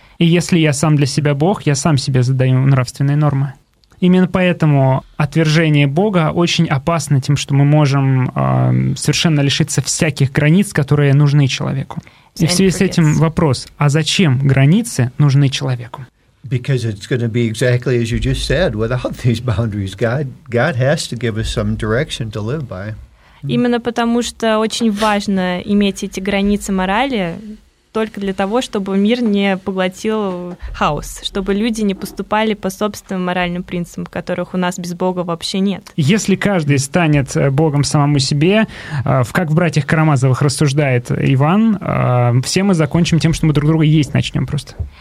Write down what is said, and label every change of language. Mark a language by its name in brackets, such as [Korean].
[Russian] И если я сам для себя Бог, я сам себе задаю нравственные нормы. Именно поэтому отвержение Бога очень опасно тем, что мы можем совершенно лишиться всяких границ, которые нужны человеку. И в связи с этим вопрос, а зачем границы нужны человеку? [English] Because it's going to be exactly as you just said, without these boundaries, God has to give us some direction to live by. [Russian] Именно потому что очень важно иметь эти границы морали, только для того, чтобы мир не поглотил хаос, чтобы люди не поступали по собственным моральным принципам, которых у нас без Бога вообще нет. Если каждый станет Богом самому себе, как в «Братьях Карамазовых» рассуждает Иван, все мы закончим тем, что мы друг друга есть начнем просто.